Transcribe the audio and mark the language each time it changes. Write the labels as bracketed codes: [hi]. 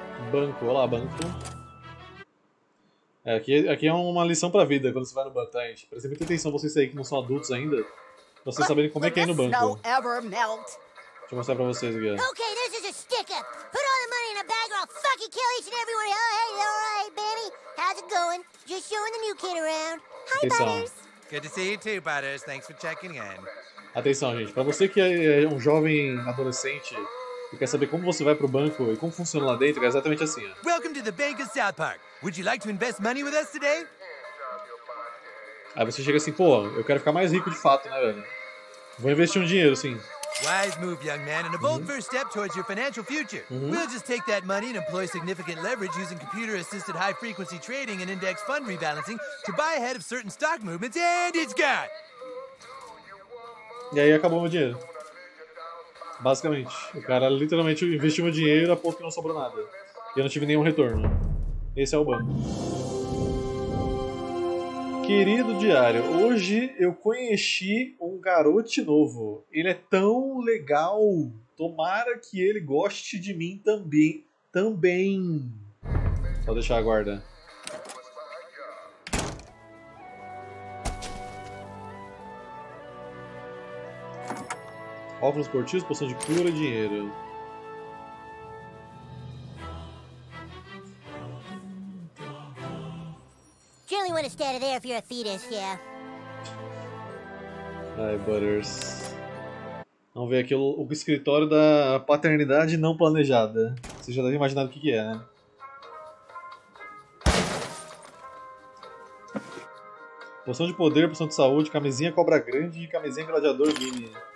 [pt] Banco, olha lá, banco. É, aqui é uma lição pra vida quando você vai no banco, tá, gente? Presta muita atenção vocês aí que não são adultos ainda. Pra vocês saberem como é que é ir no banco. Deixa eu mostrar pra vocês aqui. [en] Ok, this is a sticker. Put all the money in a bag or I'll fucking kill each and everyone. Oh, hey, alright, baby. How's it going? Just showing the new kid around. Hi, Butters. Good to see you too, Butters. Thanks for checking in. [pt] Atenção, gente. Pra você que é um jovem adolescente e quer saber como você vai pro banco e como funciona lá dentro, é exatamente assim, ó. [en] Welcome to the Bank of South Park. Would you like to invest money with us today? [pt] Aí você chega assim, pô, eu quero ficar mais rico de fato, né, velho? Vou investir um dinheiro, sim. [en] Wise move, young man, and a bold first step towards your financial future. We'll just take that money and employ significant leverage using computer-assisted high-frequency trading and index fund rebalancing to buy ahead of certain stock movements, and it's got... [pt] E aí acabou meu dinheiro. Basicamente. O cara literalmente investiu meu dinheiro a ponto que não sobrou nada. E eu não tive nenhum retorno. Esse é o banco. Querido diário, hoje eu conheci um garoto novo. Ele é tão legal. Tomara que ele goste de mim também. Também. Só deixar a guarda. Óculos esportivos, poção de cura e dinheiro. [en] Truly want to stand there if you're a fetus, yeah. Hi, Butters. [pt] Vamos ver aqui o escritório da paternidade não planejada. Você já deve imaginar o que é, né? Poção de poder, poção de saúde, camisinha cobra grande e camisinha gladiador mini.